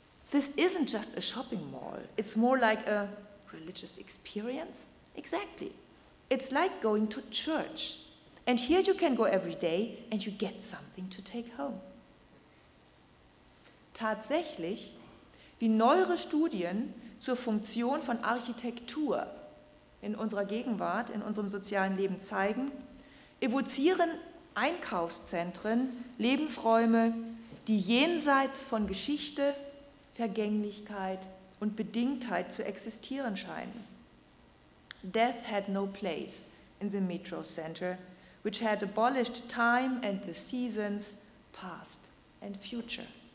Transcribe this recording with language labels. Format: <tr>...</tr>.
<en>This isn't just a shopping mall, it's more like a religious experience. Exactly. It's like going to church. And here you can go every day and you get something to take home.</en> <de>Tatsächlich, wie neuere Studien zur Funktion von Architektur in unserer Gegenwart, in unserem sozialen Leben zeigen, evozieren Einkaufszentren Lebensräume, die jenseits von Geschichte, Vergänglichkeit und Bedingtheit zu existieren scheinen.</de> <en>Death had no place in the Metro Center, which had abolished time and the seasons, past and future.</en>